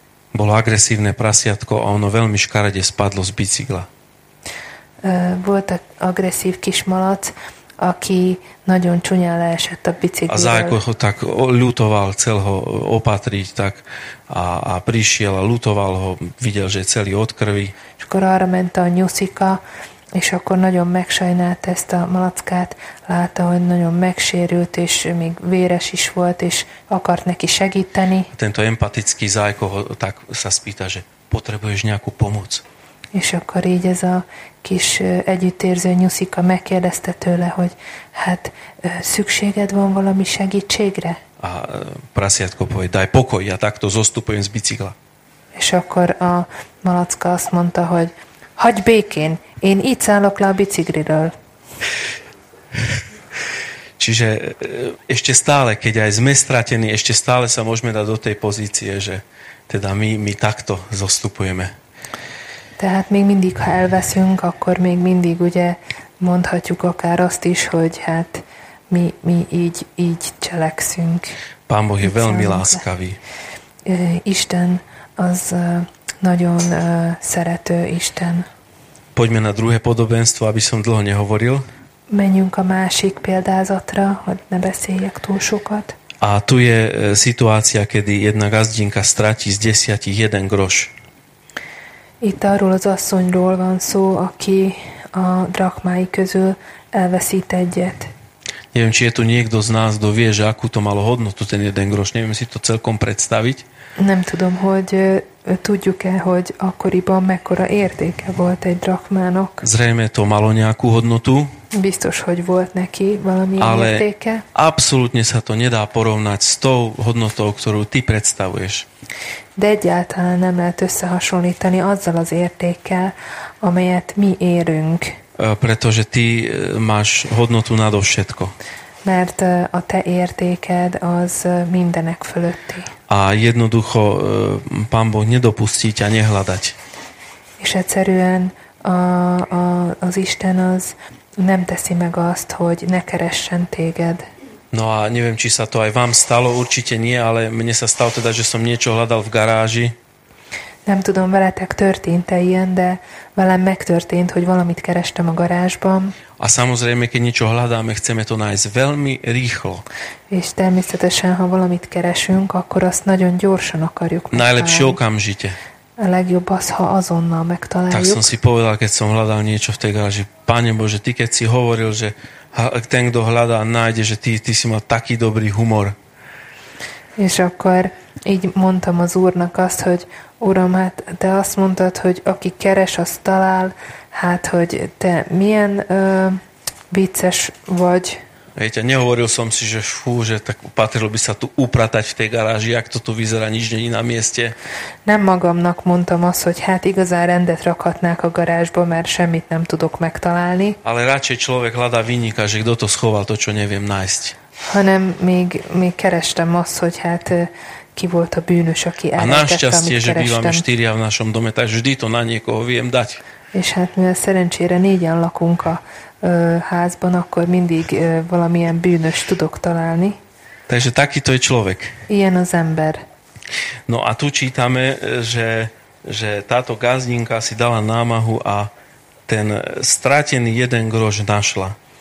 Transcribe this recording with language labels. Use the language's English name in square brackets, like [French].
[Slovak] Bolo agresívne prasiatko a ono veľmi škaredie spadlo z bicykla. [Hungarian] Volt agresív kis malac, aki nagyon csúnyán leesett a bicikliről. [Slovak] A zájko ho tak ľutoval, chcel ho opatriť, tak a prišiel a ľutoval ho, videl, že je celý od krvi. [Hungarian] És akkor arra ment a nyuszika, és akkor nagyon megsajnált ezt a malackát, látta, hogy nagyon megsérült, és még véres is volt, és akart neki segíteni. [Slovak] Tento empatický zájko ho tak sa spýta, že potrebuješ nejakú pomoc. [Hungarian] És akkor így ez a kis együttérző nyuszika megkérdezte tőle, hogy hát szükséged van valami segítségre? [Slovak] A prasiatko povie, daj pokoj, ja takto zostupujem z bicikla. [Hungarian] És akkor a malacka azt mondta, hogy hagyj békén, én így szállok le a bicikliről. [Slovak] Čiže ešte stále, keď aj sme stratení, ešte stále sa môžeme dať do tej pozície, že teda my takto zostupujeme. [Hungarian] Tehát még mindig, ha elveszünk, akkor még mindig ugye mondhatjuk akár azt is, hogy hát mi így cselekszünk. [Slovak] Pán Boh je veľmi láskavý. [Hungarian] Isten az nagyon szerető Isten. [Slovak] Poďme na druhé podobenstvo, aby som dlho nehovoril. [Hungarian] Menjünk a másik példázatra, hogy ne beszéljek túl sokat. [Slovak] A tu je situácia, kedy jedna gazdinka stráti z 10 jeden groš. [Hungarian] Itt arról az asszonyról van szó, aki a drachmái közül elveszít egyet. [Slovak] Neviem, či je tu niekto z nás, kto vie, že akú to malo hodnotu, ten jeden groš. Neviem si to celkom predstaviť. [Hungarian] Nem tudom, hogy tudjuk-e, hogy akkoriban mekkora értéke volt egy drachmának. [Slovak] Zrejme to malo nejakú hodnotu. [Hungarian] Biztos, hogy volt neki valami [Slovak] ale [Hungarian] értéke. [Slovak] Ale absolútne sa to nedá porovnať s tou hodnotou, ktorú ty predstavuješ. [Hungarian] De egyáltalán nem lehet összehasonlítani azzal az értékkel, amelyet mi érünk. [Slovak] Pretože ty máš hodnotu nadovšetko. [Hungarian] Mert a te értéked az mindenek fölötti. [Slovak] A jednoducho Pán Boh nedopustí ťa nehľadať. [Hungarian] És egyszerűen az Isten az nem teszi meg azt, hogy ne keressen téged. [Slovak] No a neviem, či sa to aj vám stalo, určite nie, ale mne sa stalo teda, že som niečo hľadal v garáži. [Hungarian] Nem tudom, veletek történt-e ilyen, de velem megtörtént, hogy valamit kerestem a garázsban. [Slovak] A samozrejme, keď niečo hľadáme, chceme to nájsť veľmi rýchlo. [Hungarian] És természetesen, ha valamit keresünk, akkor azt nagyon gyorsan akarjuk megtalálni. [Slovak] Najlepšie okamžite. [Hungarian] A legjobb az, ha azonnal megtaláljuk. [Slovak] Tak som si povedal, keď som hľadal niečo v tej garáži. Pane Bože, ty keď si hovoril, že ten, kto hľadá, nájde, že ty si mal taký dobrý humor. [Hungarian] És akkor így mondtam az úrnak azt, hogy uram, hát te azt mondtad, hogy aki keres, az talál, hát hogy te milyen vicces vagy. [Slovak] Hej, ťa, nehovoril som si, že fú, že tak patrilo by sa tu upratať v tej garáži, jak to tu vyzerá, nič není na mieste. [Hungarian] Nem magamnak mondtam azt, hogy hát igazán rendet rakhatnák a garázsba, mert semmit nem tudok megtalálni. [Slovak] Ale radšej človek hľadá vinníka, že kto to schoval, to čo neviem nájsť. [Hungarian] Hanem még kerestem azt, hogy hát ki volt a bűnös, aki elrejtette, amit kerestem. [Slovak] A našťastie, že bývame štyria v našom dome, tak vždy to na niekoho viem dať. [Hungarian] És hát mivel szerencsére négyen lakunk a házban, akkor mindig valamilyen bűnös tudok találni. [Slovak] Takže takýto je človek. [Hungarian] Ilyen az ember. [Slovak] No a tu čítame, že táto gazdinka si dala námahu a ten stratený jeden grož našla.